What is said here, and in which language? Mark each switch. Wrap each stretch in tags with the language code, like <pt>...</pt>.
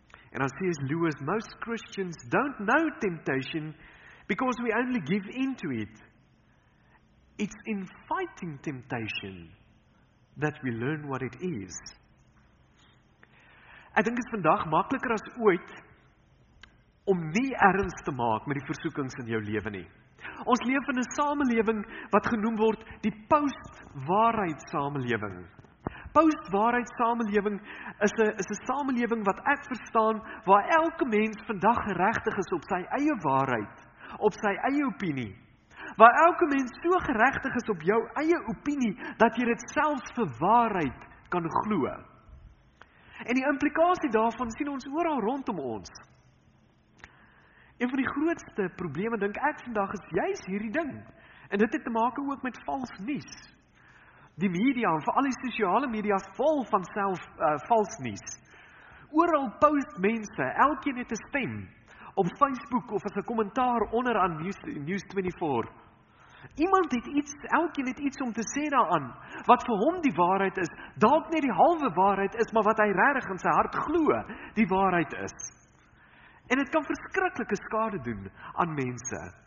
<af>En dan sê Lewis,</af> <en>most Christians don't know temptation because we only give in to it. It's in fighting temptation that we learn what it is.</en> <af>Ek dink is vandag makliker as ooit om nie erns te maak met die versoekings in jou lewe nie. Ons leef in 'n samelewing wat genoem word die post-waarheid samelewing. Post-waarheid samelewing is 'n samelewing wat ek verstaan waar elke mens vandag geregtig is op sy eie waarheid, op sy eie opinie. Waar elke mens so geregtig is op jou eie opinie dat jy dit selfs vir waarheid kan glo. En die implikasie daarvan sien ons oral rondom ons. Een van die grootste probleme, denk ek vandag, is juist hierdie ding. En dit het te maak ook met vals nuus. Die media, en vooral die sosiale media, vol van self vals nuus. Oral post mense, elkeen het 'n stem, op Facebook of as 'n kommentaar onder aan News24. Iemand het iets, elkeen het iets om te sê daaraan, wat vir hom die waarheid is, dalk net die halwe waarheid is, maar wat hy regtig in sy hart glo, die waarheid is. En het kan verskriklike skade doen aan mense.</af>